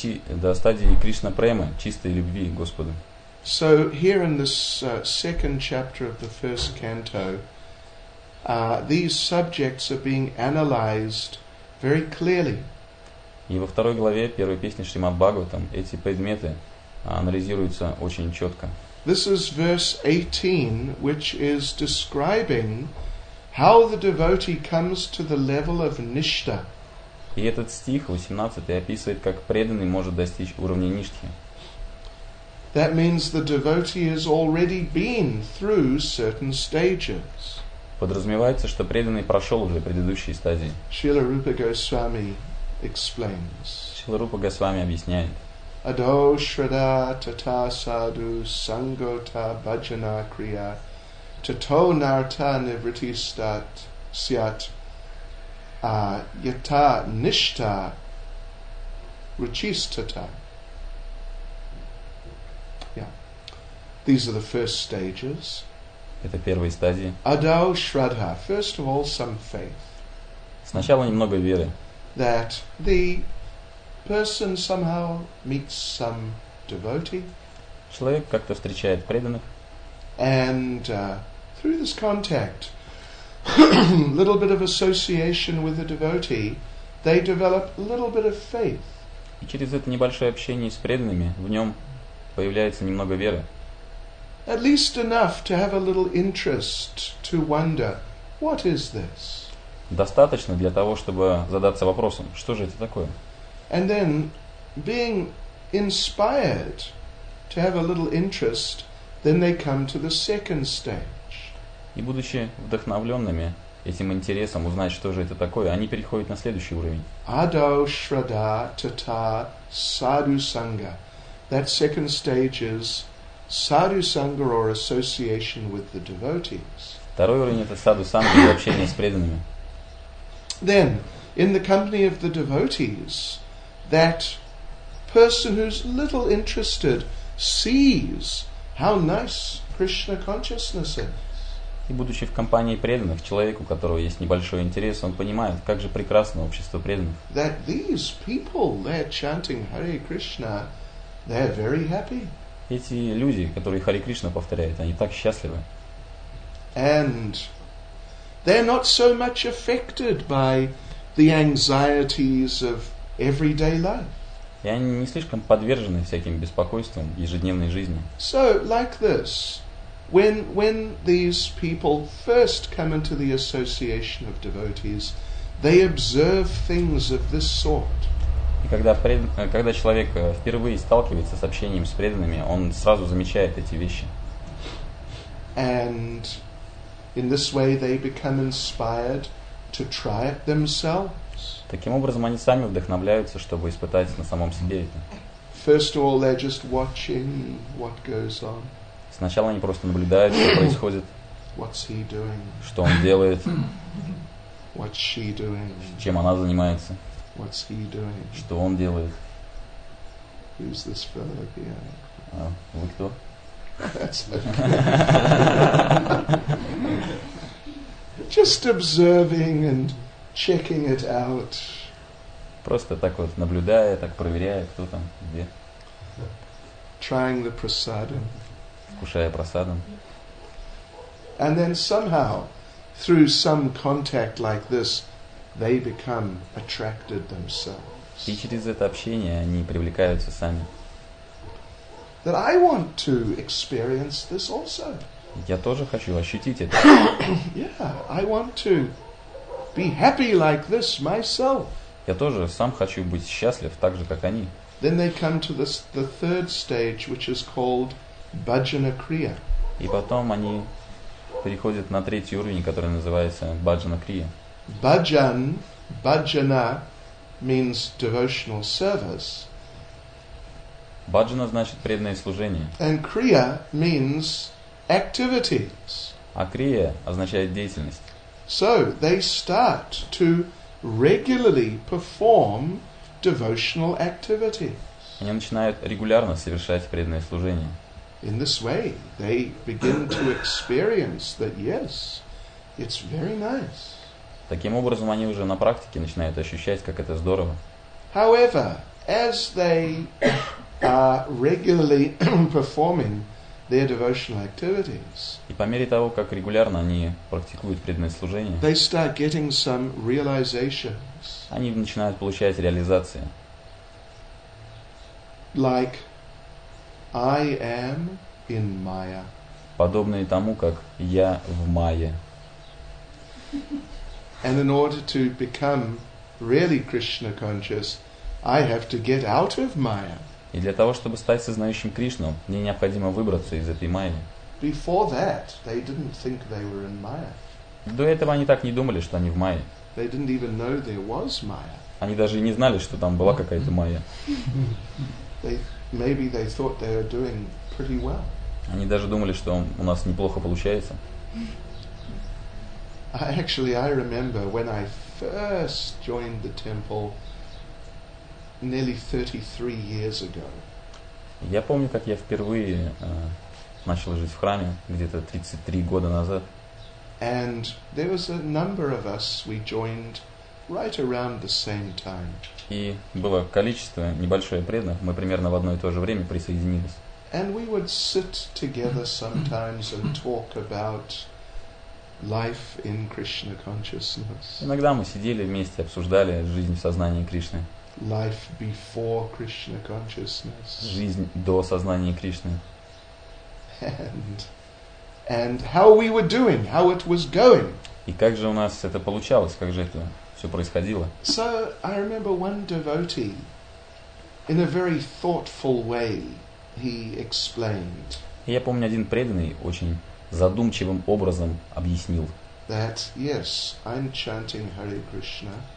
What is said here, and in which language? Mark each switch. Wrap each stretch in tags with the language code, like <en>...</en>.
<ru>До стадии Кришна премы, чистой любви к Господу.</ru> <en>So here in this second chapter of the first canto, these subjects are being analyzed very clearly.</en> <ru>И во второй главе первой песни Шримад Бхагаватам эти предметы анализируются очень четко.</ru> <en>This is verse 18, which is describing how the devotee comes to the level of nishtha.</en> <ru>И этот стих, 18, описывает, как преданный может достичь уровня ништхи.</ru> <en>That means the devotee has already been through certain stages.</en> <ru>Подразумевается, что преданный прошел уже предыдущие стадии.</ru> <en>Шрила Рупа Госвами explains.</en> <ru>Шрила Рупа Госвами объясняет.</ru> <sa>Адо шрада тата саду сангота баджана крия тато нарта нивритти стат сиат ята ништа ручистата.</sa> <en>These are the first stages.</en> <ru>Это первые стадии.</ru> <sa>Adau Shraddha.</sa> <en>First of all, some faith.</en> <ru>Сначала немного веры.</ru> <en>That the person somehow meets some devotee.</en> <ru>Человек как-то встречает преданных.</ru> <en>And through this contact, little bit of association with a devotee, they develop a little bit of faith.</en> <ru>И через это небольшое общение с преданными в нем появляется немного веры.</ru> <en>At least enough to have a little interest to wonder, what is this?</en> <ru>Достаточно для того, чтобы задаться вопросом, что же это такое?</ru> <en>And then, being inspired to have a little interest, then they come to the second stage.</en> <ru>И будучи вдохновленными этим интересом узнать, что же это такое, они переходят на следующий уровень.</ru> <sa>Адо шрада тата саду санга.</sa> <en>That second stage is Sadhu Sangha or association with the devotees.</en> <ru>Второй уровень это саду санга или общение с преданными.</ru> <en>Then, in the company of the devotees, that person who's little interested sees how nice Krishna consciousness is.</en> <ru>И будучи в компании преданных, человек, у которого есть небольшой интерес, он понимает, как же прекрасно общество преданных.</ru> <en>That these people, they're chanting Hare Krishna, they're very happy.</en> <ru>Эти люди, которые Хари Кришна повторяют, они так счастливы.</ru> <en>And they're not so much affected by the anxieties of everyday life.</en> <ru>И они не слишком подвержены всяким беспокойствам ежедневной жизни.</ru> <en>So, like this, when these people first come into the association of devotees, they observe things of this sort.</en> <ru>И когда человек впервые сталкивается с общением с преданными, он сразу замечает эти вещи.</ru> <en>And in this way they become inspired to try it themselves.</en> <ru>Таким образом, они сами вдохновляются, чтобы испытать на самом себе это.</ru> <en>First of all, they're just watching what goes on.</en> <ru>Сначала они просто наблюдают, что происходит.</ru> <en>What's he doing?</en> <ru>Что он делает?</ru> <en>What's she doing?</en> <ru>Чем она занимается?</ru> <en>What's he doing?</en> <ru>Что он делает?</ru> <en>Who's this fellow here?</en> <ru>Вы кто?</ru> <en>That's okay. Just observing and checking it out.</en> <ru>Просто так вот наблюдая, так проверяя, кто там, где.</ru> <en>Trying the prasadam.</en> <ru>Вкушая прасадам.</ru> <en>And then somehow, through some contact like this, they become attracted themselves.</en> <ru>И через это общение они привлекаются сами.</ru> <en>That I want to experience this also.</en> <ru>Я тоже хочу ощутить это.</ru> <en>Yeah, I want to be happy like this myself.</en> <ru>Я тоже сам хочу быть счастлив так же, как они.</ru> <en>Then they come to the third stage, which is called Bhajana Kriya.</en> <ru>И потом они переходят на третий уровень, который называется Bhajana Kriya.</ru> <en>Bhajan, bhajana means devotional service.</en> <ru>Bhajana значит преданное служение.</ru> <en>And kriya means activities.</en> <ru>А крия означает деятельность.</ru> <en>So they start to regularly perform devotional activities.</en> <ru>Они начинают регулярно совершать преданное служение.</ru> <en>In this way, they begin to experience that yes, it's very nice.</en> <ru>Таким образом, они уже на практике начинают ощущать, как это здорово.</ru> <en>However, as they are regularly performing their devotional activities,</en> <ru>и по мере того, как регулярно они практикуют преданное служение,</ru> <en>they start getting some realizations.</en> <ru>Они начинают получать реализации.</ru> <en>Like I am in Maya.</en> <ru>Подобные тому, как я в Майе.</ru> <en>And in order to become really Krishna conscious, I have to get out of Maya.</en> <ru>И для того, чтобы стать сознающим Кришну, мне необходимо выбраться из этой Майи.</ru> <en>Before that, they didn't think they were in Maya.</en> <ru>До этого они так не думали, что они в Майе.</ru> <en>They didn't even know there was Maya.</en> <ru>Они даже и не знали, что там была какая-то Майя.</ru> <en>Maybe they thought they were doing pretty well.</en> <ru>Они даже думали, что у нас неплохо получается.</ru> <en>Actually, I remember when I first joined the temple nearly 33 years ago.</en> <ru>Я помню, как я впервые начал жить в храме где-то 33 года назад.</ru> <en>And there was a number of us we joined right around the same time.</en> <ru>И было количество небольшое преданных, мы примерно в одно и то же время присоединились.</ru> <en>And we would sit together sometimes and talk about life in Krishna consciousness.</en> <ru>Иногда мы сидели вместе, обсуждали жизнь в сознании Кришны.</ru> <en>Life before Krishna consciousness.</en> <ru>Жизнь до сознания Кришны.</ru> <en>And how we were doing, how it was going.</en> <ru>И как же у нас это получалось, как же это все происходило?</ru> <en>So I remember one devotee, in a very thoughtful way, he explained.</en> <ru>Я помню, один преданный очень задумчивым образом объяснил.</ru> <en>That yes, I'm chanting Hare Krishna.</en>